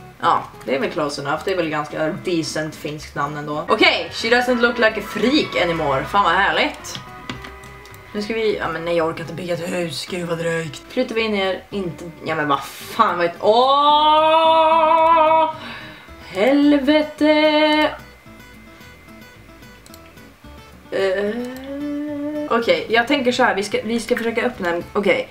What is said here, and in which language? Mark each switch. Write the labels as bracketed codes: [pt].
[sv] Ja, det är väl [en] close enough. [sv] Det är väl ganska decent finskt namn ändå. [en] Okej, she doesn't look like a freak anymore. [sv] Fan vad härligt. Nu ska vi, ja men nej, jag orkar inte bygga ett hus, gud vad drygt. Flyttar vi in er, inte, ja men vad fan, vad ett, åh! Helvete! Okej, okay, jag tänker så här, vi ska försöka öppna en, okej.